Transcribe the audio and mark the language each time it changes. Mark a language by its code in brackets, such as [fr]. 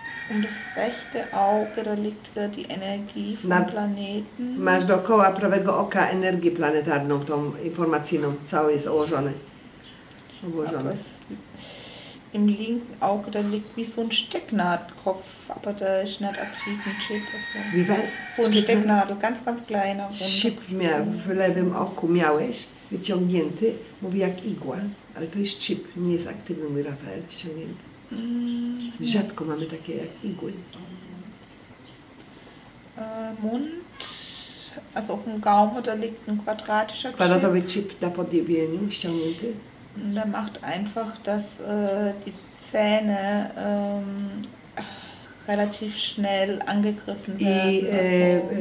[de] Und das rechte Auge, da liegt wieder die Energie vom Planeten. [pl] Masz dookoła prawego oka energię planetarną, tą informacyjną, całe jest ułożone. Ułożone. [de] Im linken Auge, da liegt wie so ein Stecknadelkopf, aber da ist nicht aktiv ein Chip. Also wie was? So ein Stecknadel, ganz, ganz kleiner. [pl] Chip w lewym oku miałeś, wyciągnięty, mówi jak igła, ale to jest chip, nie jest aktywny, mój Rafael, ściągnięty. Rzadko mamy takie jak igły. [de] Mund, also auf dem Gaumen, da liegt ein quadratischer Chip. [pl] Kwadratowy chip na podjebieniu, ściągnięty. [de] Der macht einfach, dass die Zähne relativ schnell angegriffen werden.